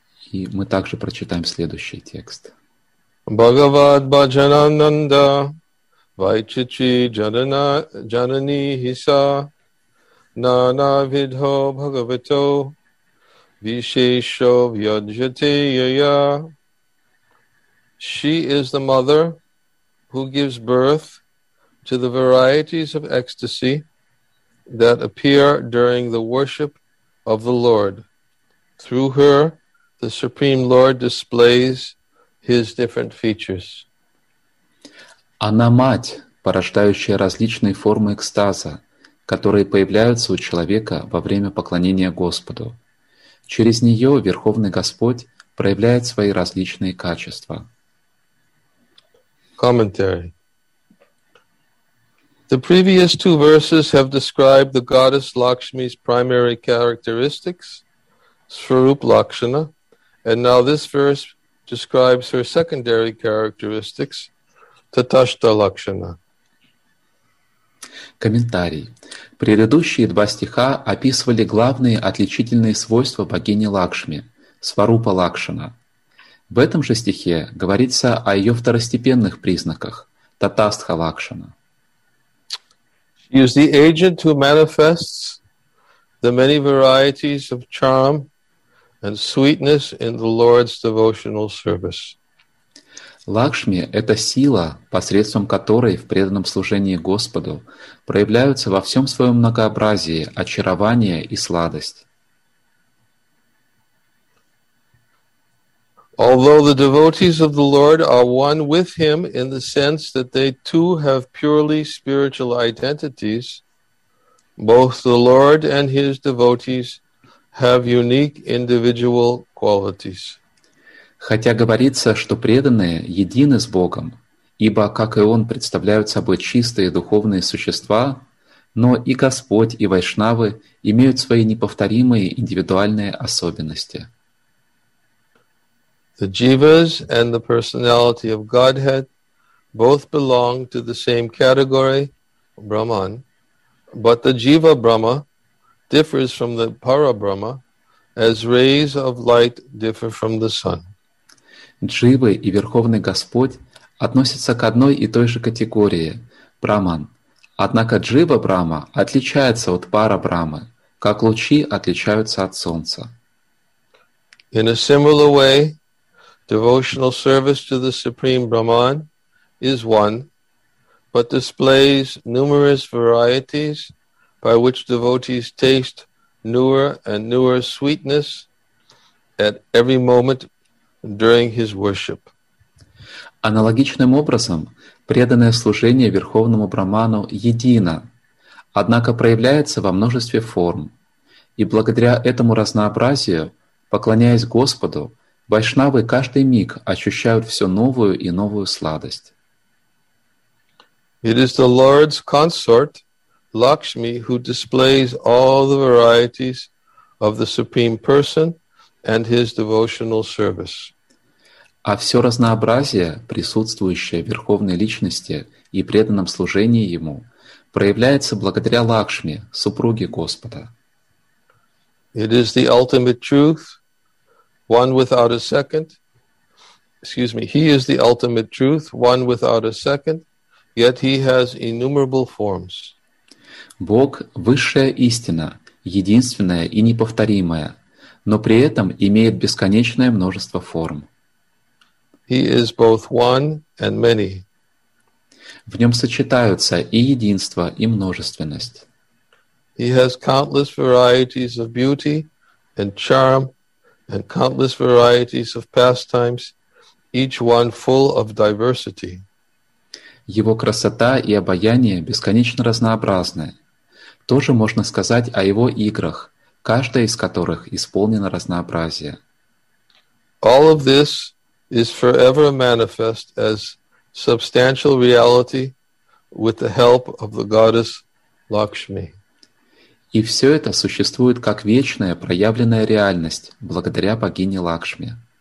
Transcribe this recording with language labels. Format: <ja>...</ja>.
<ru>И мы также прочитаем следующий текст.</ru> <sa>Бхагават Бхаджанананда Вайчичи Джанани Хиса Нана Видхо Бхагавато Вишешо Вьяджате Яя.</sa> <en>She is the mother who gives birth to the varieties of ecstasy that appear during the worship of the Lord. Through her, the Supreme Lord displays his different features.</en> <ru>Она мать, порождающая различные формы экстаза, которые появляются у человека во время поклонения Господу. Через нее Верховный Господь проявляет свои различные качества.</ru> <en>Commentary. The previous two verses have described the goddess Lakshmi's primary characteristics, Swarup Lakshana, and now this verse describes her secondary characteristics, Tatashta Lakshana.</en> <ru>Комментарий. Предыдущие два стиха описывали главные отличительные свойства богини Лакшми, Сварупа Лакшана. В этом же стихе говорится о ее второстепенных признаках, Татастха Лакшана.</ru> <en>She is the agent who manifests the many varieties of charm and sweetness in the Lord's devotional service.</en> <ru>Лакшми — это сила, посредством которой в преданном служении Господу проявляются во всем своем многообразии очарование и сладость.</ru> <en>Although the devotees of the Lord are one with Him in the sense that they too have purely spiritual identities, both the Lord and His devotees have unique individual qualities.</en> <ru>Хотя говорится, что преданные едины с Богом, ибо, как и Он, представляют собой чистые духовные существа, но и Господь, и Вайшнавы имеют свои неповторимые индивидуальные особенности.</ru> <en>The jivas and the personality of Godhead both belong to the same category, Brahman, but the jiva Brahma differs from the para Brahma as rays of light differ from the sun.</en> <ru>Дживы и Верховный Господь относятся к одной и той же категории — Браман. Однако Джива Брама отличается от Пара Брамы, как лучи отличаются от Солнца.</ru> <en>In a similar way, devotional service to the Supreme Brahman is one, but displays numerous varieties by which devotees taste newer and newer sweetness at every moment during his worship.</en> <ru>Аналогичным образом, преданное служение Верховному Браману едино, однако проявляется во множестве форм. И благодаря этому разнообразию, поклоняясь Господу, вайшнавы каждый миг ощущают всю новую и новую сладость.</ru> <en>It is the Lord's consort, Lakshmi, who displays all the varieties of the Supreme Person and His devotional service.</en> <ru>А все разнообразие, присутствующее в Верховной Личности и преданном служении Ему, проявляется благодаря Лакшми, супруге Господа.</ru> <en>It is the ultimate truth, one without a second. Excuse me, He is the ultimate truth, one without a second, yet He has innumerable forms.</en> <ru>Бог — высшая истина, единственная и неповторимая, но при этом имеет бесконечное множество форм.</ru> <en>He is both one and many.</en> <ru>В нем сочетаются и единство, и множественность.</ru> <en>He has countless varieties of beauty and charm and countless varieties of pastimes, each one full of diversity.</en> <ru>Его красота и обаяние бесконечно разнообразны. Тоже можно сказать о его играх, каждая из которых исполнена разнообразия.</ru> <en>All of this is forever manifest as substantial reality with the help of the goddess Lakshmi.</en> <ru>И все это существует как вечная проявленная реальность благодаря богине Лакшми.</ru>